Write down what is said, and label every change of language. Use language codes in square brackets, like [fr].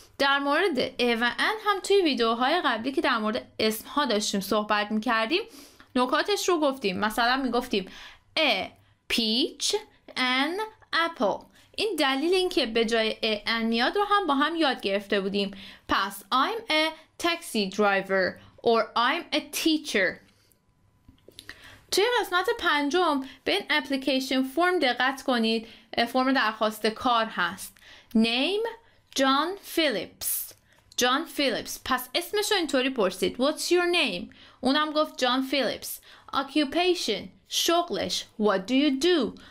[fa] در مورد a و an هم توی ویدیوهای قبلی که در مورد اسم ها داشتیم صحبت میکردیم نکاتش رو گفتیم. مثلا میگفتیم [en] a peach an apple. [fa] این دلیل اینکه به جای a an میاد رو هم با هم یاد گرفته بودیم. پس [en] I'm a taxi driver or I'm a teacher. [fa] توی قسمت پنجم به این application form دقت کنید، فرم درخواست کار هست. [en] Name John Phillips. John Phillips. [fa] پس اسمشو اینطوری پرسید. [en] What's your name? [fa] اونم گفت John Phillips. Occupation. شغلش. [en] What do you do?